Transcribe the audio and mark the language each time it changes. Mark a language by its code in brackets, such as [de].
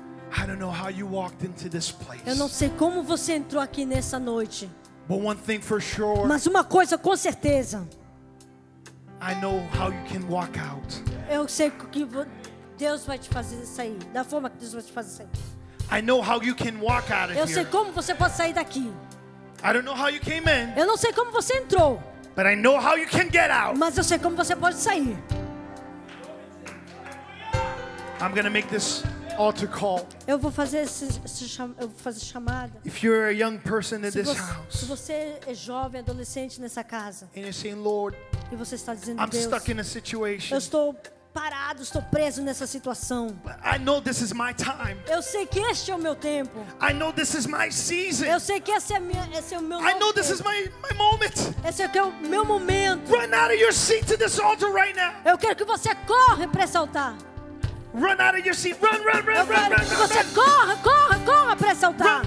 [en] I don't know how you walked into this place. [pt] Eu não sei como você entrou aqui nessa noite. [en] But one thing for sure. [pt] Mas uma coisa com certeza. [en] I know how you can walk out. [pt] Eu sei que Deus vai te fazer sair da forma que Deus vai te fazer sair. [en] I know how you can walk out of here. [pt] Eu sei como você pode sair daqui. [en] I don't know how you came in. [pt] Eu não sei como você entrou. [en] But I know how you can get out. [pt] Mas eu sei como você pode sair. [en] I'm going to make this altar call. [pt] Eu vou fazer essa chamada. [en] If you're a young person in this house. [pt] Se você é jovem adolescente nessa casa. [en] And you're saying, Lord. [pt] E você está dizendo, [en] I'm [pt] Deus, [en] stuck in a situation. [pt] Eu estou parado, estou preso nessa situação. [en] But I know this is my time. [pt] Eu sei que este é o meu tempo. [en] I know this is my season. [pt] Eu sei que esse é o meu [en] I know this is my moment. [pt] Esse é o meu momento. [en] Run out of your seat to this altar right now. [pt] Eu quero que você corra para esse altar. [en] Run out of your seat. Run, run, run, [pt] eu quero [en] run, [pt] que [en] run, run. [pt] Você corra, corra, corra para esse altar.